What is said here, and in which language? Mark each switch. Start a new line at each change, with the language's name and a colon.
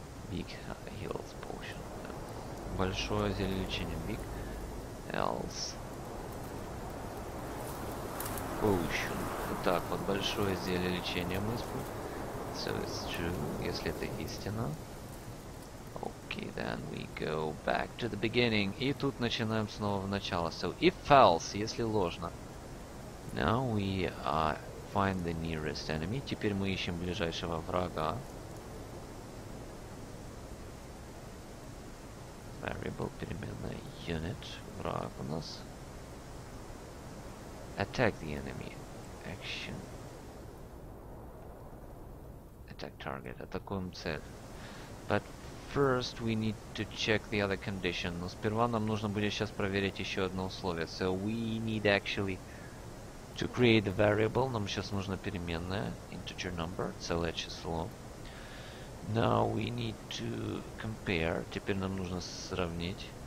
English: Big health potion.
Russian: Большое зелье лечения.
English: Big health potion.
Russian: Вот так вот, большое зелье лечения мы используем.
English: So it's true,
Russian: если это истина.
English: Okay, then we go back to the beginning.
Russian: И тут начинаем снова в начало.
English: So, if false,
Russian: если ложно.
English: Now we find the nearest enemy.
Russian: Теперь мы ищем ближайшего врага. Variable, переменная, unit, враг у нас.
English: Attack the enemy. Action. Attack target.
Russian: Атакуем цель.
English: But first we need to check the other condition.
Russian: Но сперва нам нужно будет сейчас проверить еще одно условие.
English: So we need actually to create a variable.
Russian: Нам сейчас нужно переменная.
English: Integer number.
Russian: Целое число.
English: Now we need to compare.
Russian: Теперь нам нужно сравнить.